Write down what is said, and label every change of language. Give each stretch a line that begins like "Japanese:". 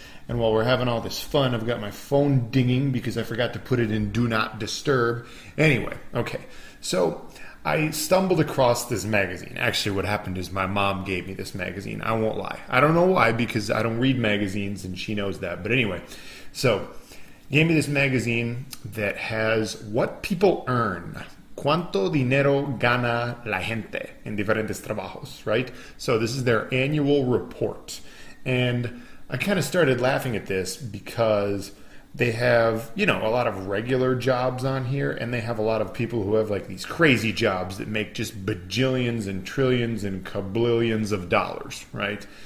English: And while we're having all this fun, I've got my phone dinging because I forgot to put it in Do Not Disturb. Anyway, okay. So I stumbled across this magazine. Actually, what happened is my mom gave me this magazine. I won't lie. I don't know why, because I don't read magazines and she knows that. But anyway, so gave me this magazine that has what people earn.
Spanish: ¿Cuánto dinero gana la gente en diferentes trabajos, right?
English: So this is their annual report. And I kind of started laughing at this because they have, you know, a lot of regular jobs on here, and they have a lot of people who have like these crazy jobs that make just bajillions and trillions and kablillions of dollars, right?